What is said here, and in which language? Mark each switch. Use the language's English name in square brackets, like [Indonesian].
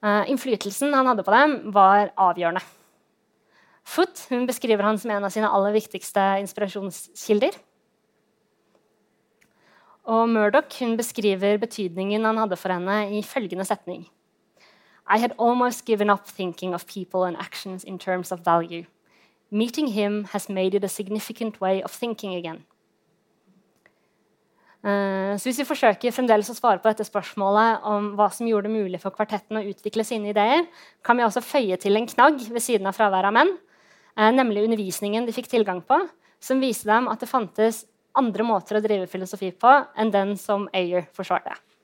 [Norwegian] Innflytelsen han hadde på dem var avgjørende. Foote, hun beskriver han som en av sine aller viktigste inspirasjonskilder. Og Murdoch, hun beskriver betydningen han hadde for henne i følgende setning. [English] I had almost given up thinking of people and actions in terms of value. Meeting him has made it a significant way of thinking again. [Norwegian] Så hvis vi forsøker fremdeles å svare på dette spørsmålet om hva som gjorde det mulig for kvartetten å utvikle sine ideer, kan vi også føye til en knagg ved siden av fraværet av menn, nemlig undervisningen de fikk tilgang på, som viste dem at det fantes andre måter å drive filosofi på enn den som Eier forsvarte.